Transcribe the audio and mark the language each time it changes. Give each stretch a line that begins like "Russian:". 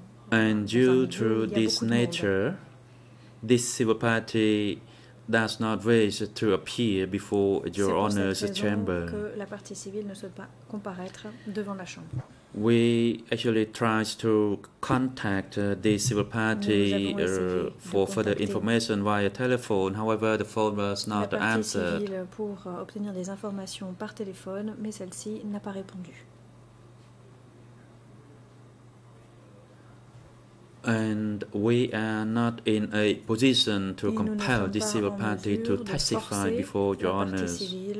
English: And due to this nature, this civil party does not wish to appear before Your Honor's chamber.
French: Que la partie civile ne souhaite pas comparaître devant la chambre.
English: We actually tried to contact the civil party for further information via telephone. However, the phone was not answered.
French: La partie civile pour obtenir des informations par téléphone, mais celle-ci n'a pas répondu.
English: And we are not in a position to compel the civil party to testify before Your Honours.